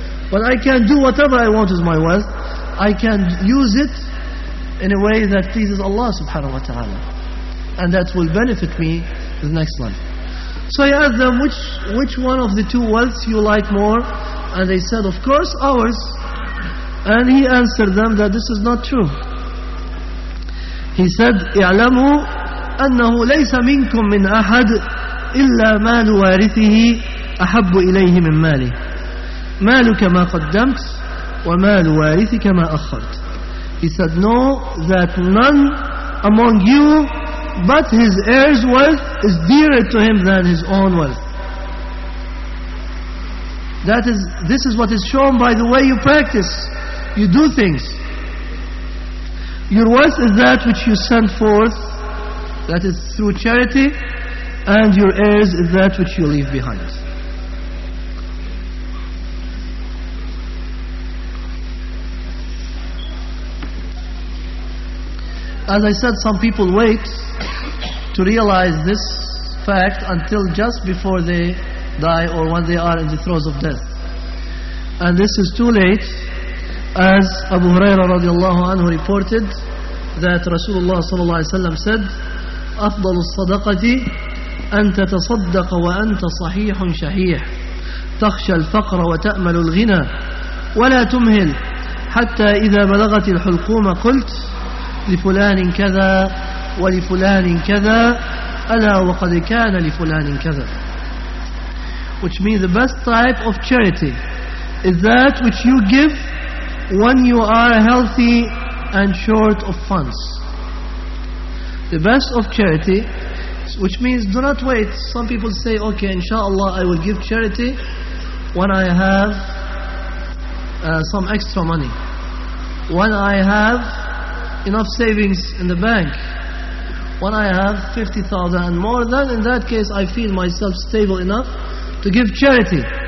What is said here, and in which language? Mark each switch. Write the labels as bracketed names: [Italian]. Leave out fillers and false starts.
[English] But I can do whatever I want with my wealth. I can use it in a way that pleases Allah subhanahu wa ta'ala, and that will benefit me the next life. So he asked them, which one of the two wealths you like more? And they said, of course, ours. And he answered them that this is not true. He said, [Arabic] اعلموا أنه ليس منكم من أحد إلا مال وارثه أحب إليه من ماله. مالك ما قدمت ومال وارثك ما أخرت. [English] He said, no, that none among you but his heir's wealth is dearer to him than his own wealth. This is what is shown by the way you practice, you do things. Your wealth is that which you send forth, that is through charity, and your heirs is that which you leave behind. As I said, some people wait to realize this fact until just before they die or when they are in the throes of death. And this is too late, as Abu Huraira radiallahu anhu reported that Rasulullah sallallahu alayhi wa sallam said, [Arabic] أفضل الصدقة أن تتصدق وأنت صحيح شحيح تخشى الفقر وتأمل الغنى ولا تمهل حتى إذا بلغت الحلقوم قلت لفلان كذا ولفلان كذا ألا وقد كان لفلان كذا. [English] Which means the best type of charity is that which you give when you are healthy and short of funds. The best of charity, which means do not wait. Some people say, okay, inshallah, I will give charity when I have some extra money, when I have enough savings in the bank, when I have 50,000 and more, then in that case I feel myself stable enough to give charity.